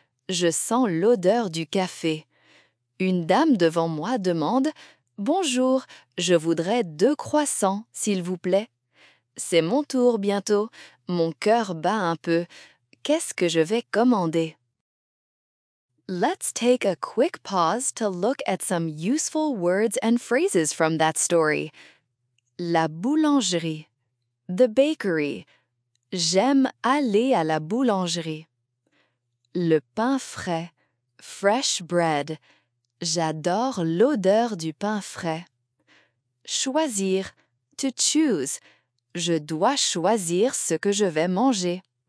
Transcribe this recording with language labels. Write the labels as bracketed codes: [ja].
[fr] Je sens l'odeur du café. Une dame devant moi demande « Bonjour, je voudrais deux croissants, s'il vous plaît. » C'est mon tour bientôt. Mon cœur bat un peu. Qu'est-ce que je vais commander? [en] Let's take a quick pause to look at some useful words and phrases from that story. [fr] La boulangerie. [en] The bakery. [fr] J'aime aller à la boulangerie. Le pain frais. [en] Fresh bread. [fr] J'adore l'odeur du pain frais. Choisir. [en] To choose. [fr] Je dois choisir ce que je vais manger.